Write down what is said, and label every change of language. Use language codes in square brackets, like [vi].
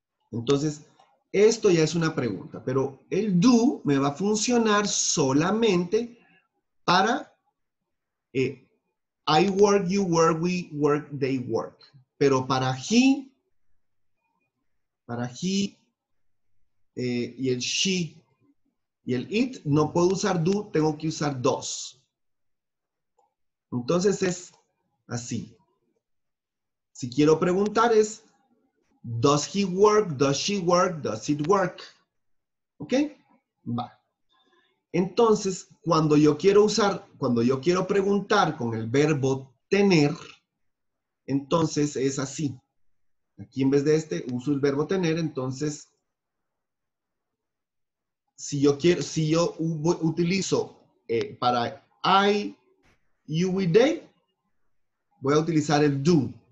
[es] Entonces, esto ya es una pregunta, pero el do me va a funcionar solamente para [en] I work, you work, we work, they work. [es] Pero para he y el she y el it, no puedo usar do, tengo que usar dos. Entonces es así. Si quiero preguntar es, [en] does he work, does she work, does it work? [es] ¿Ok? Va. Entonces, cuando yo quiero preguntar con el verbo tener, entonces es así. Aquí en vez de este, uso el verbo tener, entonces, si yo utilizo para I, you, we, they, voy a utilizar el do.